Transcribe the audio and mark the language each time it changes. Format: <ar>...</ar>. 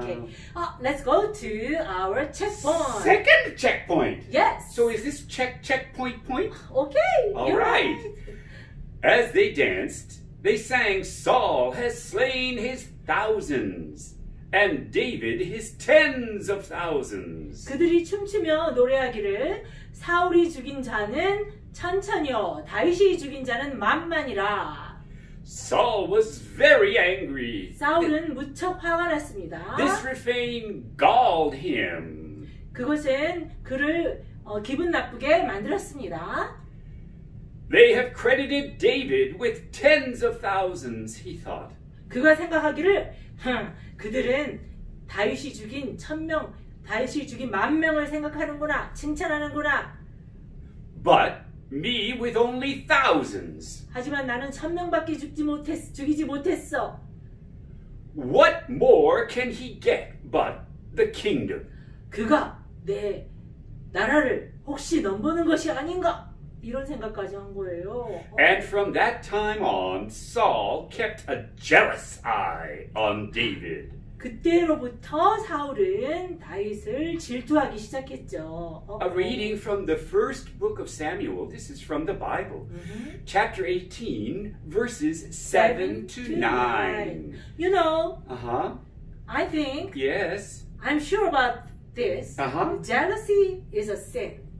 <en>Okay. Let's go to our checkpoint. Second checkpoint. Yes. So is this checkpoint point? Okay. All right. As they danced, they sang, Saul has slain his thousands. And David his tens of thousands.</en> <ko>그들이 춤추며 노래하기를 사울이 죽인 자는 천천이요 다윗이 죽인 자는 만만이라.</ko> <en>Saul was very angry.</en> <ko>사울은 무척 화가 났습니다.</ko> <en>This refrain galled him.</en> <ko>그것은 그를 기분 나쁘게 만들었습니다.</ko> <en>They have credited David with tens of thousands, he thought.</en> <ko>그가 생각하기를 그들은 다윗이 죽인 천명, 다윗이 죽인 만명을 생각하는구나, 칭찬하는구나.</ko> <en>But me with only thousands.</en> <ko>하지만 나는 천명밖에 죽이지 못했어. What more can he get but the kingdom? 그가 내 나라를 혹시 넘보는 것이 아닌가? 이런 생각까지 한 거예요.</ko> <en>And from that time on, Saul kept a jealous eye on David.</en> <ko>그때로부터 사울은 다윗을 질투하기 시작했죠.</ko> <en>A reading from the first book of Samuel. This is from the Bible. Mm-hmm. Chapter 18, verses 7 to 9. You know, uh-huh. I think, yes. I'm sure about this. Uh-huh. Jealousy is a sin.</en>